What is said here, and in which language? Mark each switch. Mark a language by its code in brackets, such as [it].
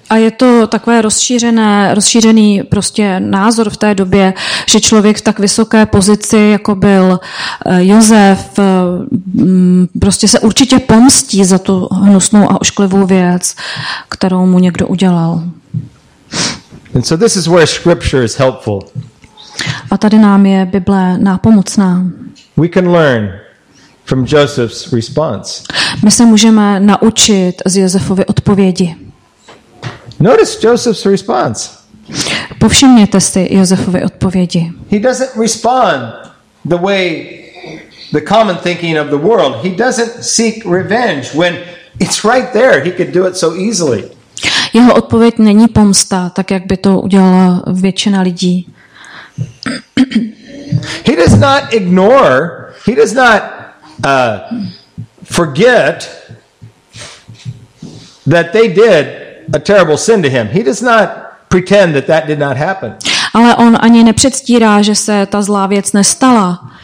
[cs] A je to takové rozšířený prostě názor v té době, že člověk v tak vysoké pozici, jako byl Josef, prostě se určitě pomstí za tu hnusnou a ošklivou věc, kterou mu někdo udělal. [en] And so this is where scripture is helpful. [cs] A tady nám je Bible nápomocná. [en] We can learn from Joseph's response. [cs] My se můžeme naučit z Josefovy odpovědi. [en] Notice Joseph's response. [cs] Povšimněte si Josefovy odpovědi. [en] He doesn't respond the way the common thinking of the world. He doesn't seek revenge when it's right there. He could do it so easily. [cs] Jeho odpověď není pomsta, tak jak by to udělala většina lidí. [en] He does not ignore. He does not forget that they did a terrible sin to him. He does not pretend that that did not happen. [cs] Ale on ani nepředstírá, že se ta zlá věc nestala.